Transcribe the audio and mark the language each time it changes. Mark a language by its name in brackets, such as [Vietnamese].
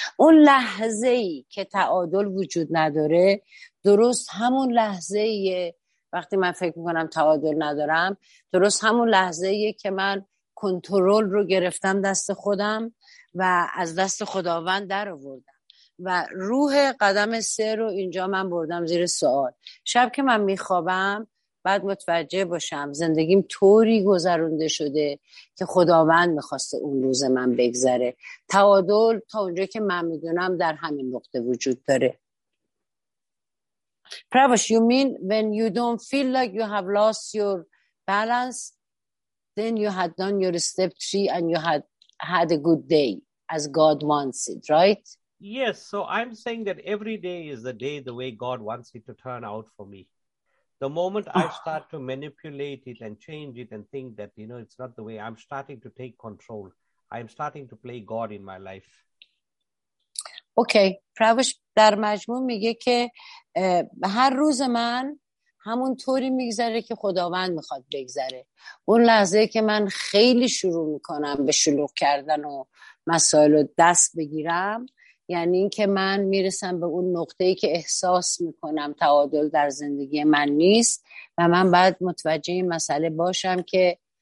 [Persian] اون لحظه‌ای که تعادل وجود نداره درست همون لحظه‌ایه، وقتی من فکر میکنم تعادل ندارم درست همون لحظه‌ایه که من کنترل رو گرفتم دست خودم و از دست خداوند در آوردم و روح قدم سه رو اینجا من بردم زیر سوال. شب که من میخوابم بعد متوجه باشم زندگیم طوری گذرونده شده که خداوند میخواسته اون روز من بگذره. تعادل تا اونجا که من میدونم در همین نقطه وجود داره. [English] Pravash, you mean when you don't feel like you have lost your balance, then you had done your step three and you had a good day as God wants it, right? Yes, so I'm saying that every day is the day the way God wants it to turn out for me. The moment I start to manipulate it and change it and think that, you know, it's not the way, I'm starting to take control. I'm starting to play God in my life. Okay. [Persian] Pravash در مجموع میگه که هر روز من همون طوری میگذره که خداوند میخواد بگذره. اون لحظه که من خیلی شروع میکنم به شلوغ کردن و مسائل رو دست بگیرم، یعنی این که من میرسم به اون نقطه‌ای که احساس میکنم تعادل در زندگی من نیست و من باید متوجه این مسئله باشم که